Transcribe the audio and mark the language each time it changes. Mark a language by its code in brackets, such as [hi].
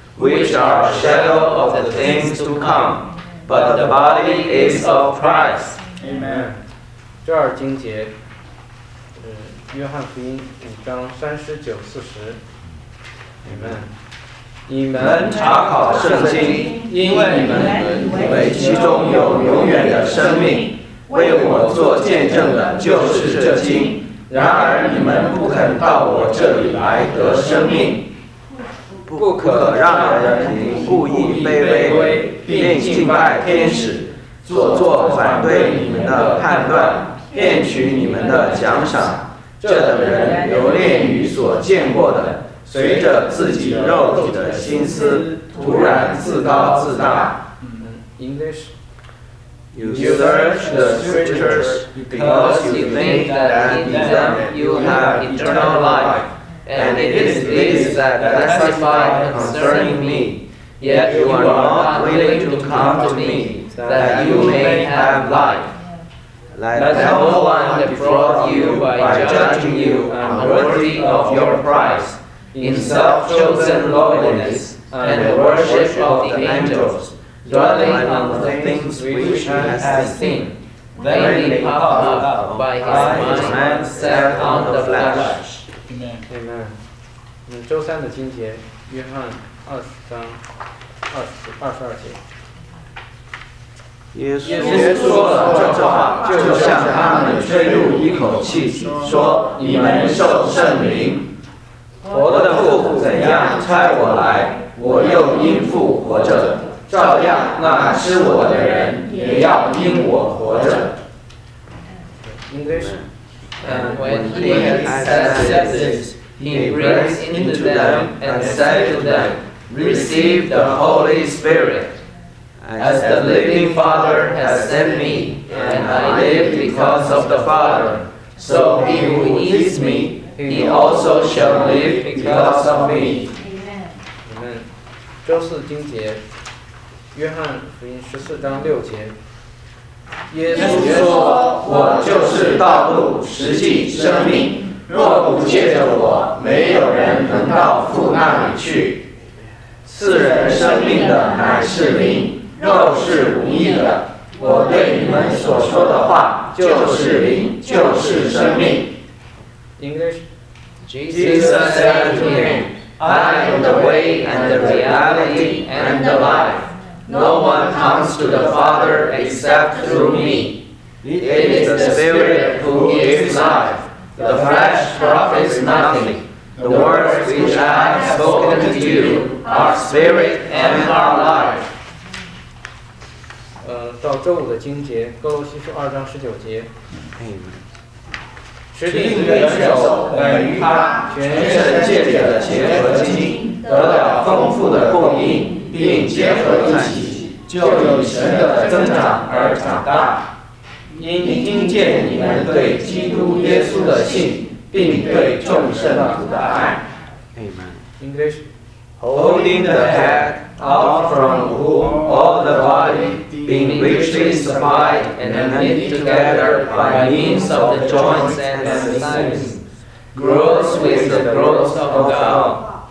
[en] Which are shadow of the things to come, but the body is of Christ. Amen. [zh] 这二经节，约翰福音五章三十九四十。 [en] Amen. [zh] 你们查考圣经，因为你们以为其中有永远的生命，为我做见证的就是这经。然而你们不肯到我这里来得生命。不可让人故意卑微，并敬拜天使，做反对你们的判断，骗取你们的奖赏。这等人留恋于所见过的，随着自己肉体的心思，突然自高自大。 [en] English. You search the scriptures because you think that in them you have eternal life. And it is this that testify concerning me. Yet you are not willing to come to me, that you may have life. Let no one defraud you by judging you unworthy of your price, in self-chosen lowliness and the worship of the angels, dwelling on the things which he has seen, vainly puffed up by his mind set on the flesh. Amen. [zh] 周三的经节，约翰二十章二十二节。耶稣说了这话，就向他们吹入一口气，说：“你们受圣灵。我的父怎样差我来，我又因父活着；照样那吃我的人，也要因我活着。” 应该是。 [en] When he had said this, he breathed into them and said to them, Receive the Holy Spirit. As the living Father has sent me, and I live because of the Father, so he who eats me, he also shall live because of me. Amen. [zh] 周四经节，约翰福音十四章六节。耶稣说：“我就是道路、实际、生命。若不借着我，没有人能到父那里去。赐人生命的乃是灵，肉是无益的。我对你们所说的话，就是灵，就是生命。 [en] English. Jesus said to him, I am the way and the reality and the life. No one comes to the Father except through me. It is the Spirit who gives life. The flesh profits nothing. The words which I have spoken to you are spirit and are life. [zh] 到周五的经节，哥罗西书二章十九节。持定元首乃于他全身借着的结合经得了丰富的供应，并结合一起，就以神的增长而长大。因听见你们对基督耶稣的信，并对众圣徒的爱。 [en] Amen. English. Holding the head, out from whom all the body, being richly supplied and knit together by means of the joints and sinews, grows with the growth of God.